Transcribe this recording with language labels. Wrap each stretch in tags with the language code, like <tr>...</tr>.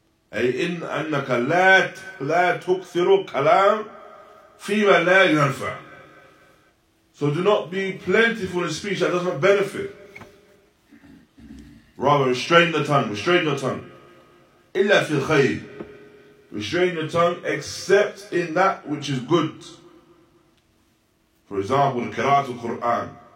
<ar>أي إن أنك لا تكثر كلام فيما لا ينفع.</ar> <en>So do not be plentiful in speech that does not benefit. Rather, restrain the tongue, restrain your tongue.</en> <ar>إلا في الخير.</ar> <en>Restrain your tongue except in that which is good. For example,</en> <ar>قراءة القرآن.</ar>